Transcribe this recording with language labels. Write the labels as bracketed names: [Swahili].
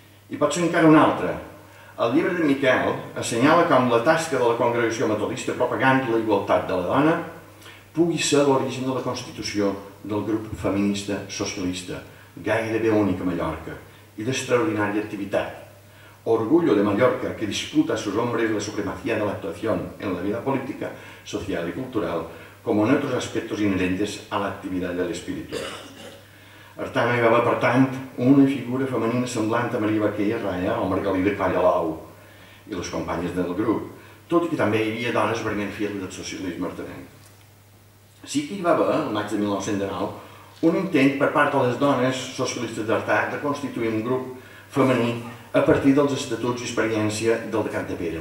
[Catalan] I pot ser encara un altre. El llibre de Miquel assenyala com la tasca de la congregació metodista propagant la igualtat de la dona pugui ser l'origen de la constitució del grup feminista socialista, gairebé únic a Mallorca, i d'extraordinària activitat. [Spanish] Orgullo de Mallorca que disputa a sus hombres la supremacía de la actuación en la vida política, social y cultural, como en otros aspectos inherentes a la actividad del espíritu. [Catalan] Artà no hi va haver, per tant, una figura femenina semblant a Maria Baquer i a Raia, o Margalí de Callalau, i les companyes del grup, tot i que també hi havia dones venent fiel del socialisme artenent. Sí que hi va haver, el maig de 1909, un intent per part de les dones socialistes d'Artà de constituir un grup femení a partir dels estatuts i experiència del de Cap de Pere.